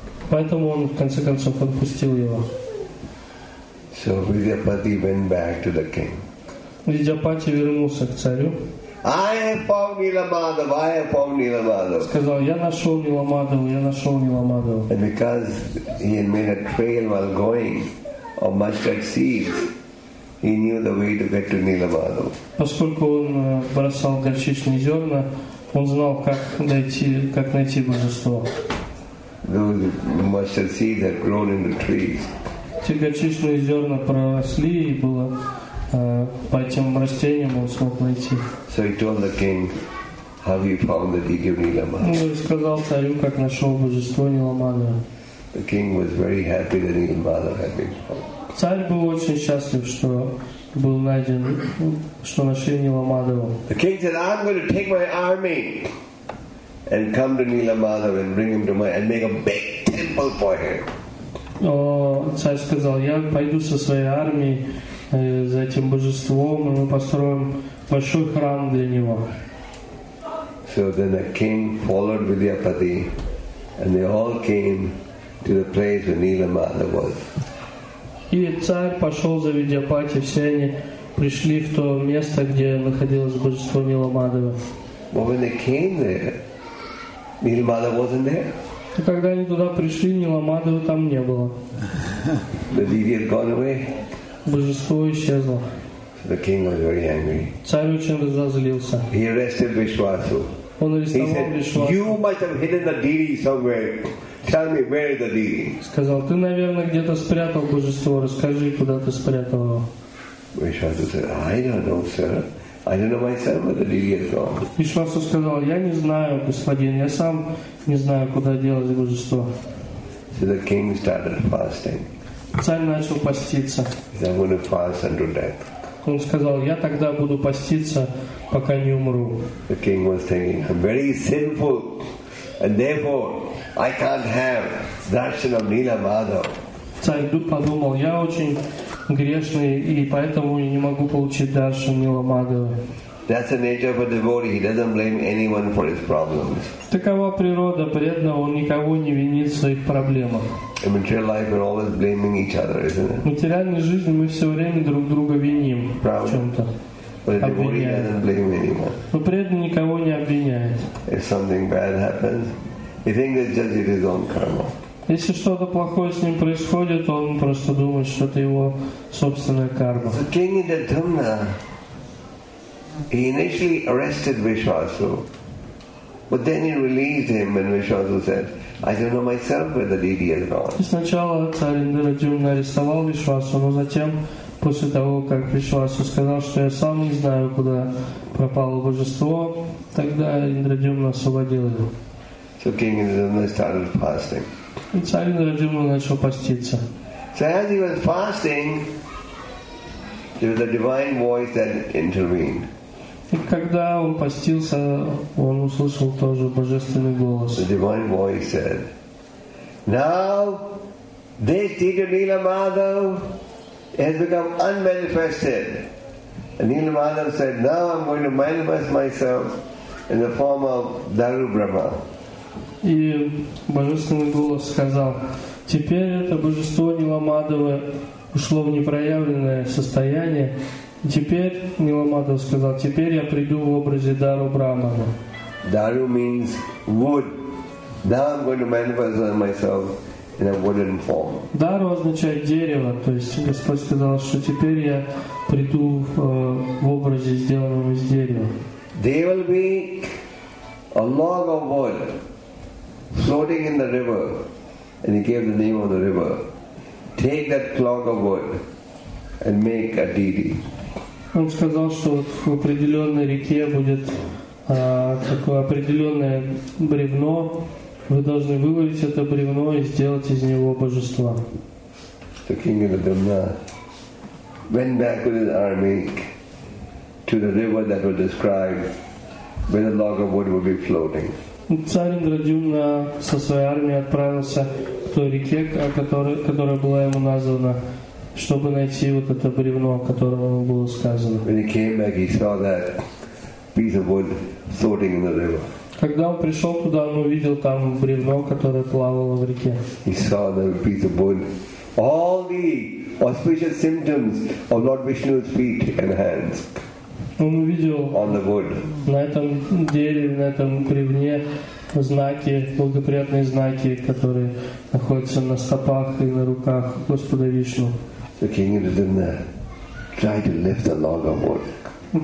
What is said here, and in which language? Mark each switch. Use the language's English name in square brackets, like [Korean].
[Russian] Поэтому он, в конце концов, отпустил его. [English] So Vidyapati went back to the king. [Russian] Видяпати вернулся к царю. [English] I have found Nilamadava. [Russian] Сказал, я нашел Ниламадаву, я нашел Ниламадаву. [English] And because he had made a trail while going of mustard seeds, he knew the way to get to Nilamadava. [Russian] Поскольку он бросал горчичные зерна, он знал, как найти божество. [English] Those mustard seeds had grown in the trees. [Russian] Те горчичные зерна проросли и было. По этим растениям он смог найти. [English] So he told the king, "Have you found the deity of Nilamadava?" [Russian] Ну, сказал царю, как нашел божество Ниламадава. [English] The king was very happy that Nilamadava had been found. [Russian] Царь был очень счастлив, что был найден, что нашли Ниламадава. [English] The king said, "I'm going to take my army and come to Nilamadava and bring him to my and make a big temple for him." [Russian] Но царь сказал, я пойду со своей армией. За этим божеством мы построим большой храм для него. [English] So then the king followed Vidyapati, and they all came to the place where Nilamadava was. [Russian] И царь пошел за Видяпати, все они пришли в то место, где находилось божество Ниламадава. [English] But when they came there, Nilamadava wasn't there. [Russian] Когда они туда пришли, Ниламадава там не было. [English] The deity had gone away. [Russian] Божество исчезло. [English] The king was very angry. [Russian] Царь очень разозлился. [English] He arrested Vishwasu. [Russian] Он арестовал Вишвасу. [English] You must have hidden the deity somewhere. Tell me where the deity. [Russian] Сказал, ты, наверное, где-то спрятал божество. Расскажи, куда ты спрятал его. [English] Vishwasu said, I don't know, sir. I don't know myself where the deity is gone. [Russian] Вишвасу сказал, я не знаю, господин, я сам не знаю, куда делось божество. [English] So the king started fasting. [Russian] Царь начал поститься. [English] I'm going to fast until death. [Russian] Он сказал, я тогда буду поститься, пока не умру. [English] The king was thinking, I'm very sinful, and therefore I can't have darshan of Nilamadava. [Russian] Царь подумал, я очень грешный, и поэтому я не могу получить даршан Ниламадавы. [English] That's the nature of a devotee. He doesn't blame anyone for his problems. [Russian] Такова природа преданного. Он никого не винит в своих проблемах. [English] In material life, we're always blaming each other, isn't it? [Russian] В материальной жизни мы все время друг друга виним в чем-то. [English] But a devotee doesn't blame anyone. [Russian] Но преданный никого не обвиняет. [English] If something bad happens, he thinks it's just his own karma. [Russian] Если что-то плохое с ним происходит, он просто думает, что это его собственная карма. [English] The king in the Dhamma. He initially arrested Vishwasu, but then he released him when Vishwasu said, I don't know myself where the deity has gone. [Russian] Сначала царь Индрадюмна арестовал Вишвасу, но затем, после того, как Вишвасу сказал, что я сам не знаю, куда пропало божество, тогда Индрадюмна освободил его. [English] So King Indradyumna started fasting. [Russian] И царь Индрадюмна начал поститься. [English] So as he was fasting, there was a divine voice that intervened. [Russian] И когда он постился, он услышал тоже божественный голос. [English] The divine voice said, "Now this deity Nilamadava has become unmanifested." And Nilamadava said, "Now I'm going to manifest myself in the form of Daru Brahma." [Russian] И божественный голос сказал: "Теперь это божество Ниламадава ушло в непроявленное состояние. Теперь, Миламада сказал, теперь я приду в образе Дару Брамана. [English] Daru means wood. Now I'm going to manifest myself in a wooden form. [Russian] Daru означает дерево, то есть Господь сказал, что теперь я приду в образе, сделанном из дерева. [English] There will be a log of wood floating in the river, and he gave the name of the river. Take that log of wood and make a deity. [Russian] Он сказал, что в определенной реке будет такое определенное бревно. Вы должны выловить это бревно и сделать из него божество. [English] The king of Adamna went back with his army to the river that was described, where the log of wood would be floating. [Russian] Царь Индрадюмна со своей армией отправился к той реке, которая была ему названа, чтобы найти вот это бревно, о котором ему было сказано. [English] When he came back, he saw that piece of wood floating in the river. [Russian] Когда он пришел туда, он увидел там бревно, которое плавало в реке. [English] He saw the piece of wood. All the auspicious symptoms of Lord Vishnu's feet and hands. [Russian] Он увидел на этом дереве, на этом бревне знаки, благоприятные знаки, которые находятся на стопах и на руках Господа Вишну. [English] The king of Adamna tried to lift the log of wood.